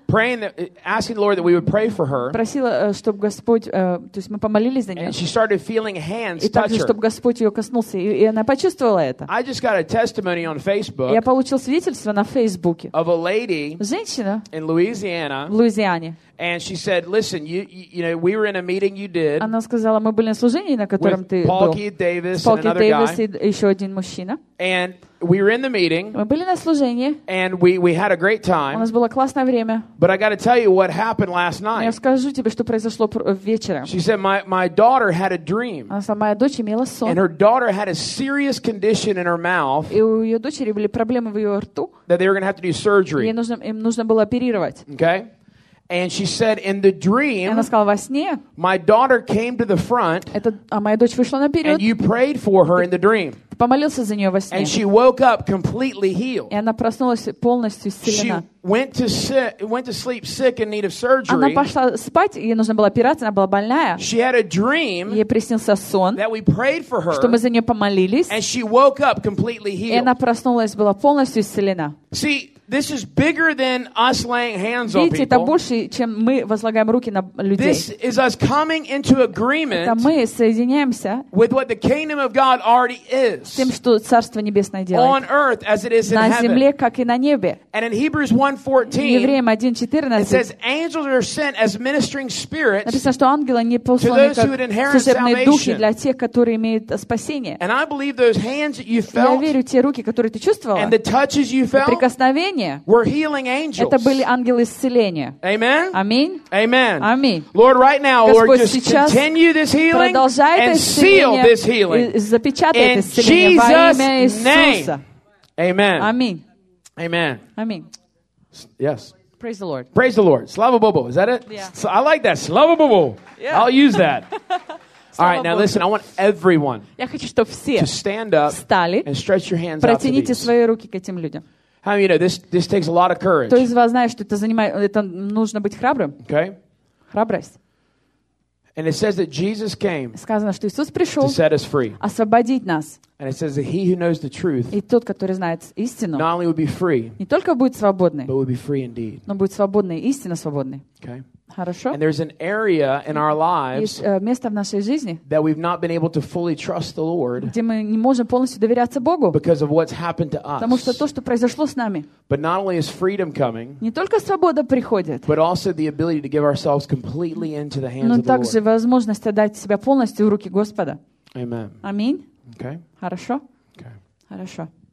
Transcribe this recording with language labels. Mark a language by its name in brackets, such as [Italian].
[English] Praying, asking the Lord that we would pray for her. [Russian] Просила, чтобы Господь, то есть мы помолились за нее. [English] And she started feeling hands touch her. [Russian] И также, чтобы Господь ее коснулся, и она почувствовала это. [English] I just got a testimony on Facebook. [Russian] Я получил свидетельство на Фейсбуке. [English] Of a lady. [Russian] Женщина. [English] In Louisiana. [Russian] В Луизиане. [English] And she said, "Listen, you know, we were in a meeting you did." [Russian] Она сказала, мы были на служении, на котором ты был. [English] With Paul Keith Davis Paul and another Davis guy. [Russian] И еще один мужчина. [English] And we were in the meeting. [Russian] Мы были на служении. [English] And we had a great time. [Russian] У нас было классное время. [English] But I got to tell you what happened last night. [Russian] Я скажу тебе, что произошло вечером. [English] She said, "My daughter had a dream." [Russian] Она сказала, моя дочь имела сон. [English] And her daughter had a serious condition in her mouth. [Russian] И у ее дочери были проблемы в ее рту. [English] That they were going to have to do surgery. [Russian] Им нужно было оперировать. [English] Okay. And she said, in the dream, [Russian] она сказала, во сне, [English] my daughter came to the front, [Russian] это, а моя дочь вышла наперед, [English] and you prayed for her in the dream. [Russian] Ты помолился за нее во сне. [English] And she woke up completely healed. [Russian] И она проснулась полностью исцелена. [English] She went to sleep sick in need of surgery. [Russian] Она пошла спать, ей нужно было операция, она была больная. [English] She had a dream, [Russian] ей приснился сон, [English] that we prayed for her, [Russian] что мы за нее помолились, [English] and she woke up completely healed. [Russian] И она проснулась, была полностью исцелена. [English] See, this is bigger than us laying hands [Russian] видите, [English] on people. [Russian] Это больше, чем мы возлагаем руки на людей. [English] This is us coming into agreement. [Russian] Это мы соединяемся. [English] With what the kingdom of God already is. [Russian] С тем, что Царство Небесное делает. [English] On earth as it is in heaven. [Russian] На земле, как и на небе. [English] And in Hebrews 1:14. [Russian] Евреям 1:14. [English] It says angels are sent as ministering spirits. [Russian] Написано, что ангелы не посланы как служебные духи для тех, которые имеют спасение. [English] And I believe those hands that you felt. [Russian] Я верю те руки, которые ты чувствовала. [English] And the touches you felt. [Russian] Прикосновение. [English] We're healing angels. [Russian] Это были ангелы исцеления. [English] Amen. [Russian] Аминь. [English] Amen. [Russian] Аминь. [English] Lord, right now, [Russian] Господь, [English] Lord, just continue this healing and seal this healing. [Russian] Запечатай это исцеление [English] Jesus [Russian] во имя Иисуса. [English] Name. Amen. [Russian] Аминь. [English] Amen. [Russian] Аминь. [English] Yes. Praise the Lord. Praise the Lord. [Russian] Слава Богу. [English] Is that it? Yeah. So I like that. [Russian] Слава Богу. [English] Yeah. I'll use that. All right, now listen, I want everyone [Russian] хочу, [English] to stand up [Russian] встали, [English] and stretch your hands out to these. [Russian] Протяните свои руки к этим людям. [English] How you know this takes a lot of courage. [Russian] Кто из вас знает, что это занимает, это нужно быть храбрым? [English] Okay. [Russian] Храбрость. [English] And it says that Jesus came. [Russian] Сказано, что Иисус пришёл. [English] To set us free. [Russian] Освободить нас. [English] And it says that he who knows the truth. [Russian] И тот, который знает истину. [English] Not only will be free. [Russian] Не только будет свободный. [English] But will be free indeed. [Russian] Но будет свободный, истинно свободный. [English] Okay. [Russian] Хорошо. [English] And there's an area in our lives. [Russian] Есть место в нашей жизни. [English] That we've not been able to fully trust the Lord. [Russian] Где мы не можем полностью доверяться Богу. [English] Because of what's happened to us. [Russian] Потому что то, что произошло с нами. [English] But not only is freedom coming. [Russian] Не только свобода приходит. [English] But also the ability to give ourselves completely into the hands of the Lord. [Russian] Но также возможность отдать себя полностью в руки Господа. [English] Amen. [Russian] Аминь. [English] Okay. [Russian] Хорошо. [English] Okay. [Russian] Хорошо.